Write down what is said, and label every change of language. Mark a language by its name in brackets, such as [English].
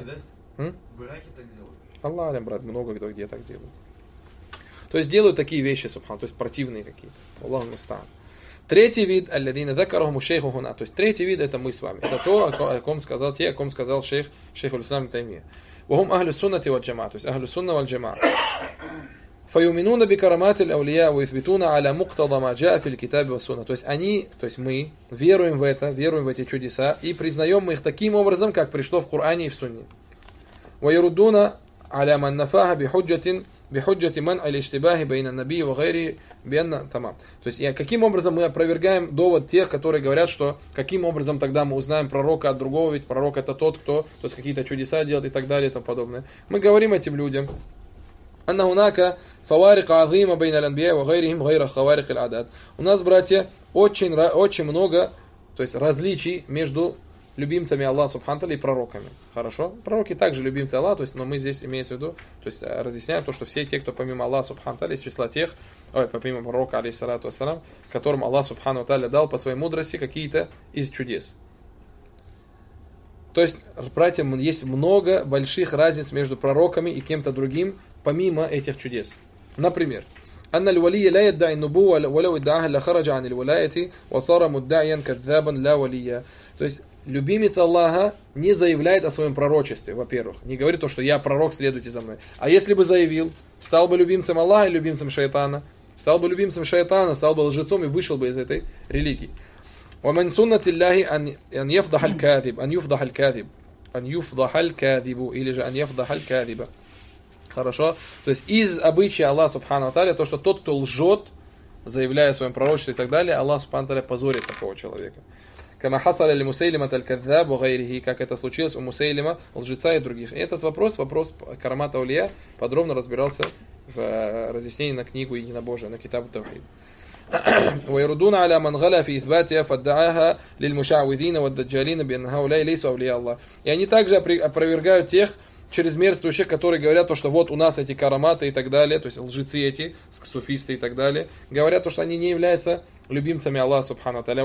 [Russian] Браки, да? Браки так делают. Аллах алям, брат, много кто где так делают. То есть делают такие вещи, субхан, то есть противные какие-то. Аллахуль мустаан. Третий вид, [Arabic] аллядина закарахуму шейху хуна. [Russian] То есть третий вид, это мы с вами. Это то, о ком сказал шейх, шейх аль-Ислам Таймия. [Arabic] وهم أهل السنة والجماعة، [Russian] то есть [Arabic] أهل السنة والجماعة. فيؤمنون بكرامات الأولياء ويثبتون على مقتضى ما جاء في الكتاب والسنة. [Russian] То есть они, то есть мы веруем в это, веруем в эти чудеса и признаем мы их таким образом, как пришло в Коране и в Сунне. [Arabic] ويردون على من نفاها بحجة من الاشتباه بين النبي وغيره بأن تمام. [Russian] То есть каким образом мы опровергаем довод тех, которые говорят, что каким образом тогда мы узнаем пророка от другого, ведь пророк это тот, кто то есть какие-то чудеса делает и так далее и тому подобное. Мы говорим этим людям: [Arabic] أنه هناك فوارق عظيمة بين الأنبياء وغيرهم غير خوارق العادات. [Russian] У нас, братья, очень много, то есть различий между любимцами Аллаха субхана ва тааля и пророками. Хорошо? Пророки также любимцы Аллаха, то есть, но мы здесь имеем в виду, то есть разъясняем то, что все те, кто помимо Аллаха субхана ва тааля, из числа тех, помимо пророка, алейхиссалату вассалам, которым Аллах субхана ва тааля дал по своей мудрости какие-то из чудес. То есть, братья, есть много больших разниц между пророками и кем-то другим, помимо этих чудес. Например, [Arabic] أن الولي لا يدعي النبوة ولو ادعاها لخرج عن الولاية وصار مدعيا كذابا لا وليا. [Russian] То есть любимец Аллаха не заявляет о своем пророчестве, во-первых, не говорит то, что я пророк, следуйте за мной. А если бы заявил, стал бы любимцем Аллаха и любимцем шайтана, стал бы любимцем шайтана, стал бы лжецом и вышел бы из этой религии. [Arabic] ومن سنة الله أن يفضح الكاذب أن يفضح الكاذب أن يفضح الكاذب [Russian] или же [Arabic] أن يفضح الكاذب. [Russian] Хорошо. То есть из обычая Аллаха субхана ва тааля, то, что тот, кто лжет, заявляя о своем пророчестве и так далее, Аллах субхана ва тааля позорит такого человека. [Arabic] Кама хасаля ли Мусейлима таль-каззаб ва гайрихи, [Russian] как это случилось у Мусейлима, лжеца и других. И этот вопрос карамата аулия, подробно разбирался в разъяснении на книгу Единобожия, на китабу Тавхид. [Arabic] ويردون على من غلا في إثباتها فدعاها للمشعوذين والدجالين بأن هؤلاء ليسوا أولياء الله. [Russian] И они также опровергают тех чрезмерствующих, которые говорят то, что вот у нас эти караматы и так далее, то есть лжецы эти, суфисты и так далее, говорят то, что они не являются любимцами Аллаха субхана ва тааля.